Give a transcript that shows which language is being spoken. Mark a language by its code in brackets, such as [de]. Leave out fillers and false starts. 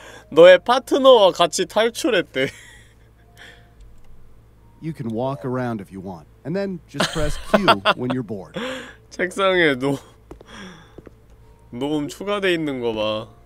[ko] 너의 파트너와 같이 탈출했대. [en] You can walk around if you want. And then just press Q when you're bored. [ko] 책상에 녹음 추가돼 있는 거 봐.